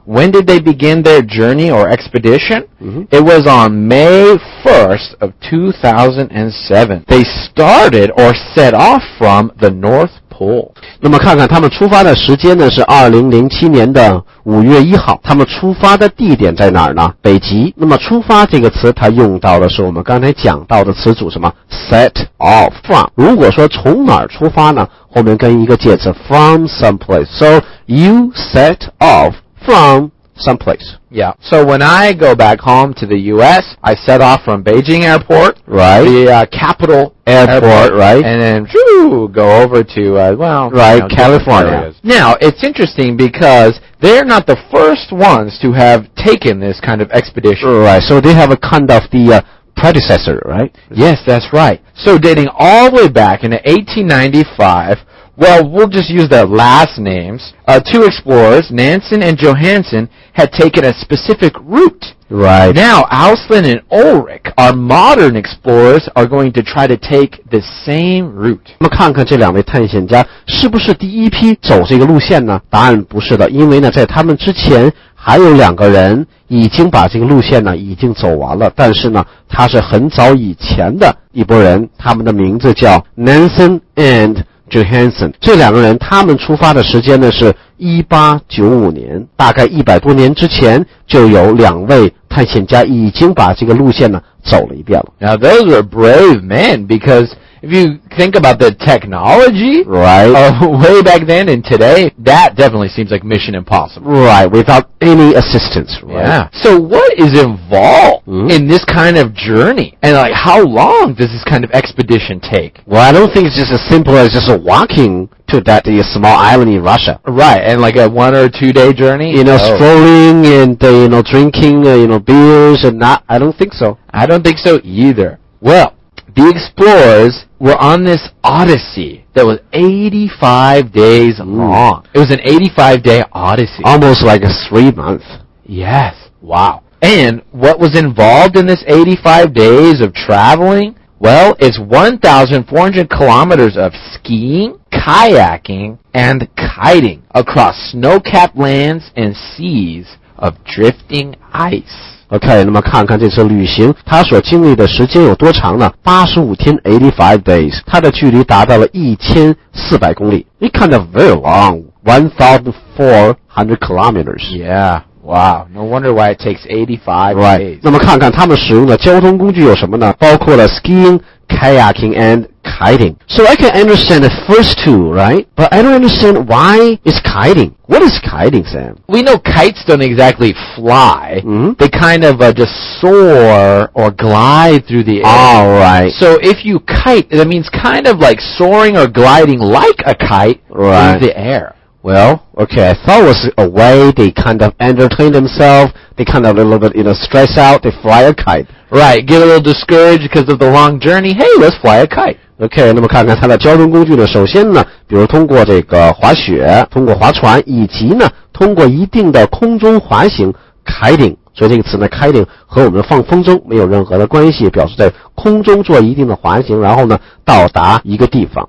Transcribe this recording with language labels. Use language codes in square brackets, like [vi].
[en] When did they begin their journey or expedition?、It was on May 1st of 2007. They started or set off from the North Pole. [zh] 那么看看他们出发的时间呢，是2007年的5月1号。他们出发的地点在哪儿呢？北极。那么出发这个词，它用到的是我们刚才讲到的词组什么 ？ [en] Set off from。 [zh] 如果说从哪儿出发呢？后面跟一个介词 [en] from someplace。 So you set off from someplace. Yeah. So when I go back home to the U.S., I set off from Beijing Airport, right? The、capital airport, right? And then whoo, go over to right, California. Now it's interesting because they're not the first ones to have taken this kind of expedition, right? So they have a kind of the predecessor, right? Yes, that's right. So dating all the way back in 1895. Well, we'll just use their last names. Two explorers, Nansen and Johansson, had taken a specific route. Right. Now, Auslin and Ulrich, our modern explorers, are going to try to take the same route. [zh] 那么看看这两位探险家是不是第一批走这个路线呢？答案不是的，因为呢，在他们之前还有两个人已经把这个路线呢已经走完了，但是呢，他是很早以前的一波人，他们的名字叫 Nansen and Johansson， 这两个人他们出发的时间呢是1895年，大概100多年之前就有两位探险家已经把这个路线呢走了一遍了。 [en] Now those were brave men because if you think about the technology, right, way back then and today, that definitely seems like mission impossible. Right, without any assistance, right? Yeah. So what is involved、in this kind of journey? And like, how long does this kind of expedition take? Well, I don't think it's just as simple as just walking to that small island in Russia. Right, and like a 1 or 2 day journey? You know,、strolling and, you know, drinking, you know, beers and not, I don't think so. I don't think so either. Well,The explorers were on this odyssey that was 85 days long. It was an 85-day odyssey. Almost like a 3 month. Yes. Wow. And what was involved in this 85 days of traveling? Well, it's 1,400 kilometers of skiing, kayaking, and kiting across snow-capped lands and seas of drifting ice. [zh] OK, 那么看看这次旅行他所经历的时间有多长呢 ?85 天 , [en] 85 days, [zh] 他的距离达到了1400公里。 [en] It kind of very long, 1,400 kilometers. Yeah, wow, no wonder why it takes 85 days. Right, [zh] 那么看看他们使用的交通工具有什么呢包括了 [en] skiing, kayaking, and kiting. So I can understand the first two, right? But I don't understand why is kiting. What is kiting, Sam? We know kites don't exactly fly.、 Mm-hmm. They kind of、just soar or glide through the air. All right. So if you kite, that means kind of like soaring or gliding like a kite、 right. through the air. Well, okay, I thought it was a way they kind of entertain themselves. They kind of a little bit, you know, stress out. They fly a kite. Right, get a little discouraged because of the long journey. Hey, let's fly a kite. [zh] Okay, 那么看看它的交通工具呢。首先呢，比如通过这个滑雪，通过划船，以及呢，通过一定的空中滑行 ，kiting。所以这个词呢 ，kiting 和我们放风筝没有任何的关系，表示在空中做一定的滑行，然后呢到达一个地方。